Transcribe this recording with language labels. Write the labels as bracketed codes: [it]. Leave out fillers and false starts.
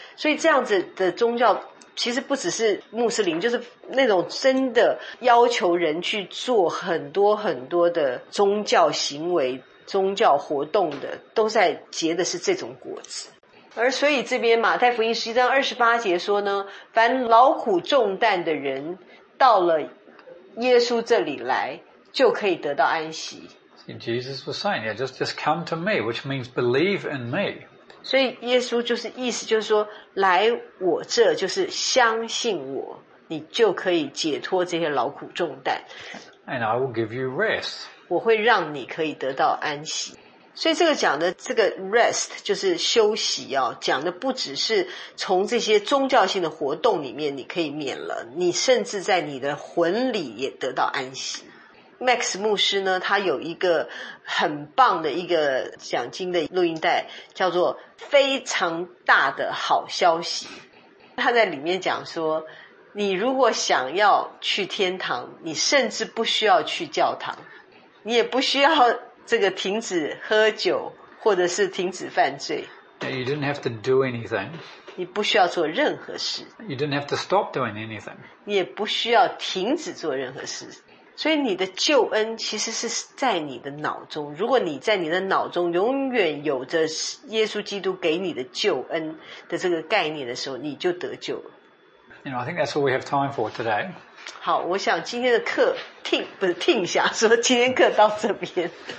[zh] 所以这样子的宗教其实不只是穆斯林，就是那种真的要求人去做很多很多的宗教行为、宗教活动的，都在结的是这种果子。而所以这边马太福音11:28说呢，凡劳苦重担的人到了耶稣这里来就可以得到安息。 [en] Jesus was saying, yeah, just come to me, which means believe in me. [zh] 所以耶稣就是意思就是说，来我这就是相信我，你就可以解脱这些劳苦重担。 [en] and I will give you rest. [zh] 我会让你可以得到安息。所以这个讲的这个 rest 就是休息哦，讲的不只是从这些宗教性的活动里面你可以免了，你甚至在你的魂里也得到安息。 Max 牧师呢，他有一个很棒的一个讲经的录音带，叫做《非常大的好消息》。他在里面讲说，你如果想要去天堂，你甚至不需要去教堂，你也不需要这个停止喝酒，或者是停止犯罪。 [en] You didn't have to do anything. [zh] 你不需要做任何事。 [en] You didn't have to stop doing anything. [zh] 你也不需要停止做任何事。所以你的救恩其实是在你的脑中，如果你在你的脑中永远有着耶稣基督给你的救恩的这个概念的时候，你就得救了。 [en] You know, I think that's all we have time for today. [zh] 好，我想今天的课听不是听一下说今天课到这边。